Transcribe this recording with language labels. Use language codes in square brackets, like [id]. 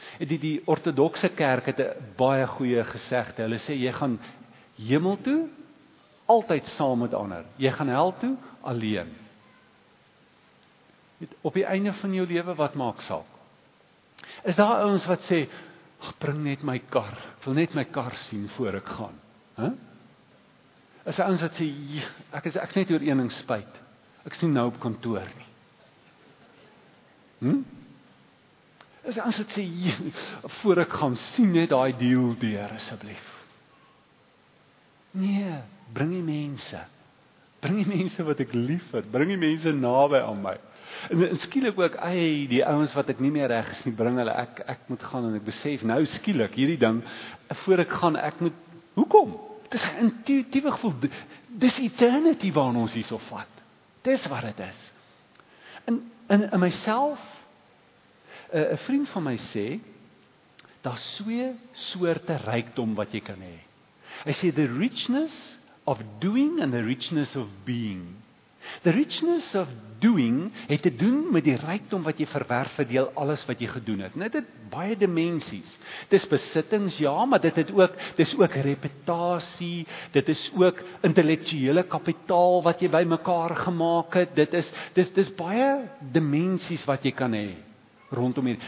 [af] Die orthodoxe kerk het 'n baie goeie gesegde. Hulle sê jy gaan hemel toe, altyd saam met ander. Jy gaan hel toe, alleen. Op die einde van jou lewe, wat maak saak? Is daar ouens wat sê, bring net my kar, ek wil net my kar sien voor ek gaan. Is daar ouens wat sê, ek is net oor een ding spyt, ek is nie nou op kantoor nie. Is daar ouens wat sê, voor ek gaan, sien net die deal deur, asseblief. Nee, bring die mense wat ek lief het, bring die mense naby aan my, en skielik ook, die ouens wat ek nie meer reg is nie, bring hulle, ek moet gaan, en ek besef, nou skielik, hierdie ding, voor ek gaan, ek moet, hoekom? Dit is 'n intuïtiewe gevoel, dis eternity waarin ons hierso vat, dis wat het is, en myself, 'n vriend van my sê, daar's twee soorte rykdom wat jy kan hê. [en] I say the richness of doing and the richness of being. The richness of doing [af] het te doen met die rykdom wat jy verwerf deel alles wat jy gedoen het. Dit het baie dimensies. Dit is besittings, ja, maar dit is ook reputasie, dit is ook intellektuele kapitaal wat jy bymekaar gemaak het, dit is baie dimensies wat jy kan hê rondom hier.